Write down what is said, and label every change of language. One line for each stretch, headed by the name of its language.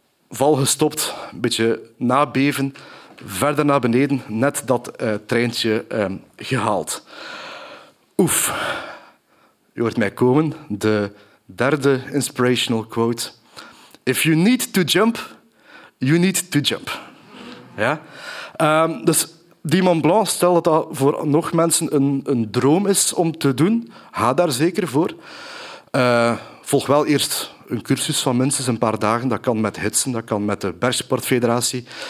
Dutch: Val gestopt, een beetje nabeven, verder naar beneden, net dat treintje gehaald. Oef, je hoort mij komen, de derde inspirational quote.
English: If you need to jump, you need to jump.
Dutch: Ja? Dus die Mont Blanc, stel dat dat voor nog mensen een droom is om te doen, ga daar zeker voor. Volg wel eerst een cursus van minstens een paar dagen. Dat kan met hitsen, dat kan met de Bergsportfederatie.